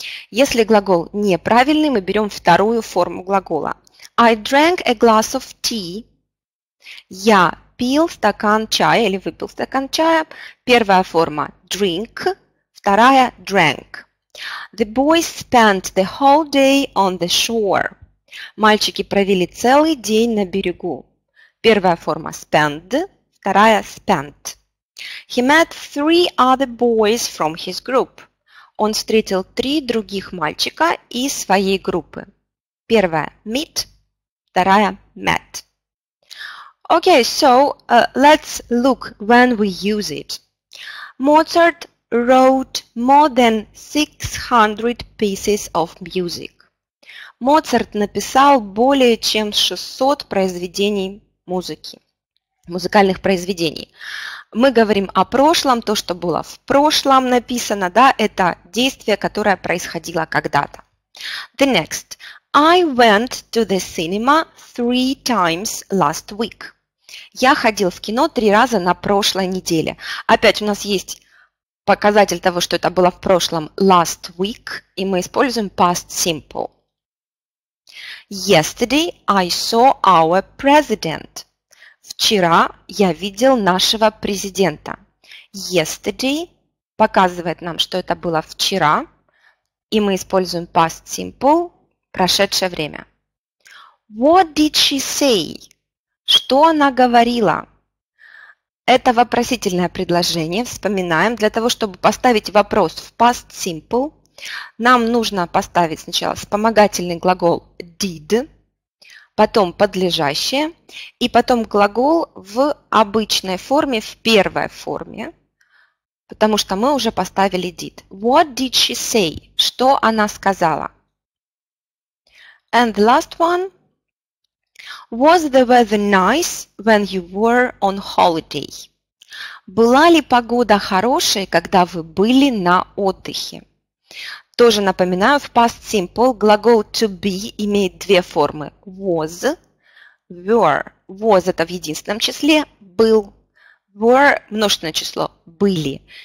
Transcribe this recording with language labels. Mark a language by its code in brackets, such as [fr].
[ru] Если глагол неправильный, мы берем вторую форму глагола. [en] I drank a glass of tea. [ru] Я пил стакан чая или выпил стакан чая. Первая форма drink, вторая drank. [en] The boys spent the whole day on the shore. [ru] Мальчики провели целый день на берегу. Первая форма spend, вторая spent. [en] He met three other boys from his group. [ru] Он встретил три других мальчика из своей группы. Первая – meet, вторая – met. [en] Okay, so let's look when we use it. Mozart wrote more than 600 pieces of music. [ru] Моцарт написал более чем 600 произведений музыки, музыкальных произведений. Мы говорим о прошлом, то, что было в прошлом написано, да, это действие, которое происходило когда-то. [en] The next. I went to the cinema three times last week. [ru] Я ходил в кино три раза на прошлой неделе. Опять у нас есть показатель того, что это было в прошлом [en] last week, [ru] и мы используем past simple. [en] Yesterday I saw our president. [ru] Вчера я видел нашего президента. Yesterday показывает нам, что это было вчера. И мы используем past simple, прошедшее время. [en] What did she say? [ru] Что она говорила? Это вопросительное предложение. Вспоминаем. Для того, чтобы поставить вопрос в past simple, нам нужно поставить сначала вспомогательный глагол did, потом подлежащее, и потом глагол в обычной форме, в первой форме, потому что мы уже поставили did. [en] What did she say? [ru] Что она сказала? [en] And the last one. Was the weather nice when you were on holiday? [ru] Была ли погода хорошей, когда вы были на отдыхе? Тоже напоминаю, в past simple глагол to be имеет две формы. [en] Was, were. [ru] Was – это в единственном числе, был. Were – множественное число, были.